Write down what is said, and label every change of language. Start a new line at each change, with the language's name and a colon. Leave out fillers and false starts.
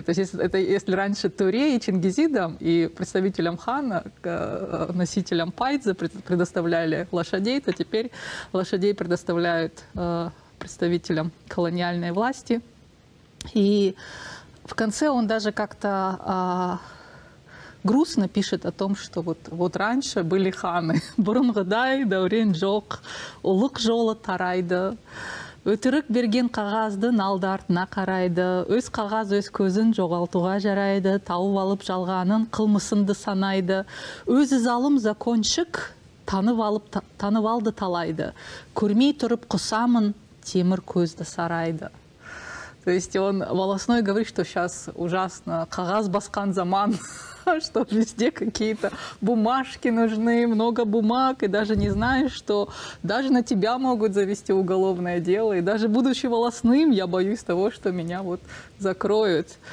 Russian: То есть это если раньше туре и чингизидам, и представителям хана, носителям пайдзе предоставляли лошадей, то теперь лошадей предоставляют представителям колониальной власти. И в конце он даже как-то грустно пишет о том, что вот раньше были ханы.
Kazakh: Бурунгадай, даурен жок, улык жола тарайды. Өтірік берген қағазды налды артына қарайды. Өз қағаз өз көзін жоғалтуға жарайды. Тауып алып жалғанын қылмысынды санайды. Өзі залым закончик, танып алды талайды. Көрмей тұрып құсамын, темір көзді сарайды.
Russian: То есть он волостной говорит, что сейчас ужасно,
Kazakh: кагаз баскан заман,
Russian: что везде какие-то бумажки нужны, много бумаг, и даже не знаешь, что даже на тебя могут завести уголовное дело, и даже будучи волостным, я боюсь того, что меня вот закроют.